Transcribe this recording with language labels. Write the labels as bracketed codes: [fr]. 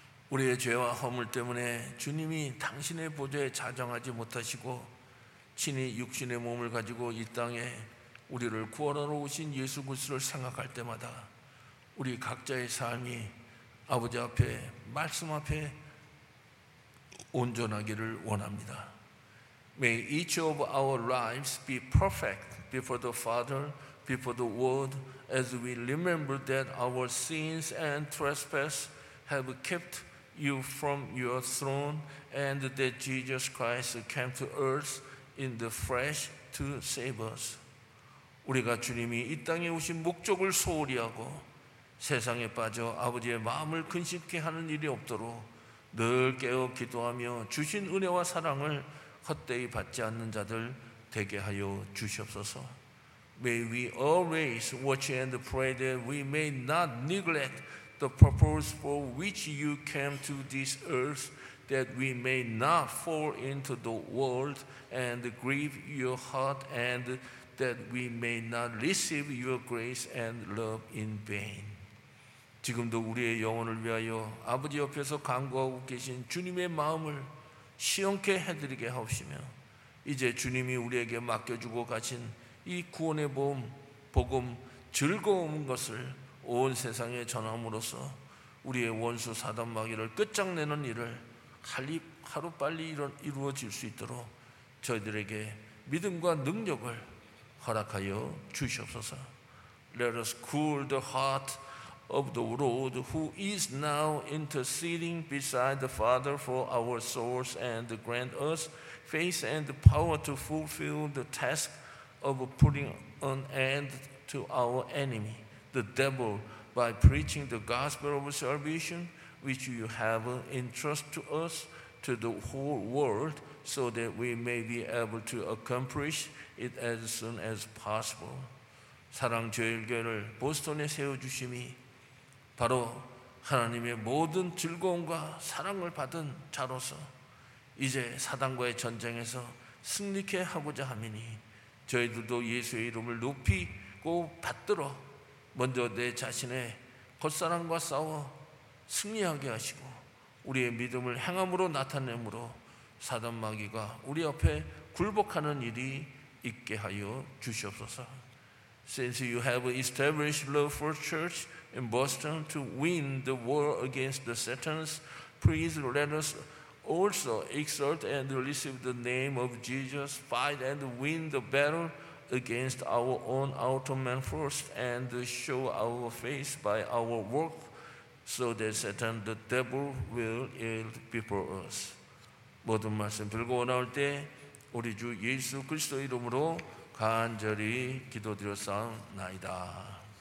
[ko] 우리의 죄와 허물 때문에 주님이 당신의 보좌에 좌정하지 못하시고 친히 육신의 몸을 가지고 이 땅에 우리를 구원하러 오신 예수 그리스도를 생각할 때마다 우리 각자의 삶이 아버지 앞에 말씀 앞에 온전하기를 원합니다. [en] May each of our lives be perfect before the Father, before the world, as we remember that our sins and trespass have kept you from your throne and that Jesus Christ came to earth in the flesh to save us. [ko] 우리가 주님이 이 땅에 오신 목적을 소홀히 하고 세상에 빠져 아버지의 마음을 근심케 하는 일이 없도록 늘 깨어 기도하며 주신 은혜와 사랑을 헛되이 받지 않는 자들 되게 하여 주시옵소서. [en] May we always watch and pray that we may not neglect the purpose for which you came to this earth, that we may not fall into the world and grieve your heart, and that we may not receive your grace and love in vain. [ko] 지금도 우리의 영혼을 위하여 아버지 옆에서 간구하고 계신 주님의 마음을 시원케 해드리게 하옵시며 이제 주님이 우리에게 맡겨주고 가신 이 구원의 복음, 복음 즐거운 것을 온 세상에 전함으로써 우리의 원수 사단 마귀를 끝장내는 일을 하루빨리 이루어질 수 있도록 저희들에게 믿음과 능력을 허락하여 주시옵소서. [en] Let us cool the heart of the Lord who is now interceding beside the Father for our souls and grant us faith and power to fulfill the task of putting an end to our enemy, the devil, by preaching the gospel of salvation which you have entrusted to us, to the whole world, so that we may be able to accomplish it as soon as possible. [ko] 사랑 제일교회를 보스턴에 세워주심이 바로 하나님의 모든 즐거움과 사랑을 받은 자로서 이제 사단과의 전쟁에서 승리케 하고자 함이니 저희들도 예수의 이름을 높이고 받들어 먼저 내 자신의 겉사람과 싸워 승리하게 하시고 우리의 믿음을 행함으로 나타내므로 사단 마귀가 우리 앞에 굴복하는 일이 있게 하여 주시옵소서. [en] Since you have established the first church in Boston to win the war against the Satans, please let us also exalt and receive the name of Jesus, fight and win the battle against our own outer man first, and show our face by our work so that Satan, the devil, will yield before us. [ko] 모든 말씀 들고 나올 때 우리 주 예수 그리스도 이름으로 간절히 기도드렸사옵나이다.